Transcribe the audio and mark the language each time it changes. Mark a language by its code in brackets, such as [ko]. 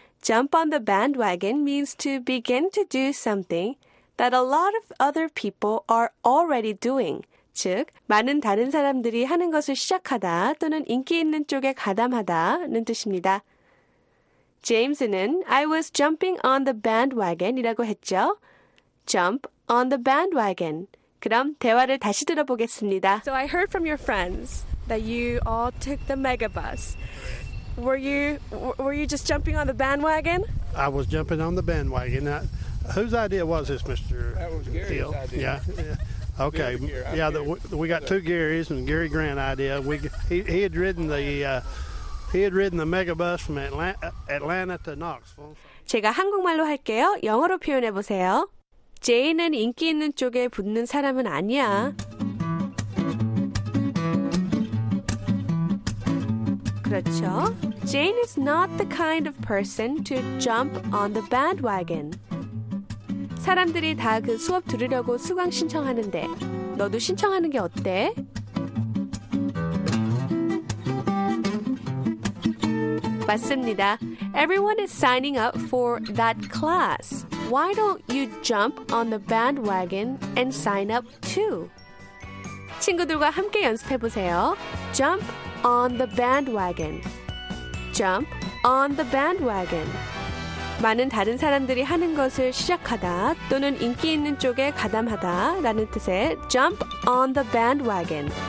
[en] Jump on the bandwagon means to begin to do something that a lot of other people are already doing. [ko] 즉, 많은 다른 사람들이 하는 것을 시작하다 또는 인기 있는 쪽에 가담하다는 뜻입니다. 제임스는 [en] I was jumping on the bandwagon [ko] 이라고 했죠. [en] Jump on the bandwagon. [ko] 그럼 대화를 다시 들어보겠습니다. [en] So I heard from your friends that you all took the megabus. Were you just jumping on the bandwagon? I was jumping on the bandwagon. Whose idea was this, Mr. That was Gary's Hill? Idea. Yeah. Okay. Yeah, we got two Garys and Gary Grant idea. He had ridden the megabus from Atlanta to Knoxville. [ko] 제가 한국말로 할게요. 영어로 표현해 보세요. 제인은 인기 있는 쪽에 붙는 사람은 아니야. Mm-hmm. 그렇죠. [en] Jane is not the kind of person to jump on the bandwagon. [ko] 사람들이 다 그 수업 들으려고 수강 신청하는데 너도 신청하는 게 어때? 맞습니다. [en] Everyone is signing up for that class. Why don't you jump on the bandwagon and sign up too? [ko] 친구들과 함께 연습해 보세요. [en] Jump on the bandwagon. Jump on the bandwagon. [ko] 많은 다른 사람들이 하는 것을 시작하다 또는 인기 있는 쪽에 가담하다 라는 뜻의 [en] jump on the bandwagon.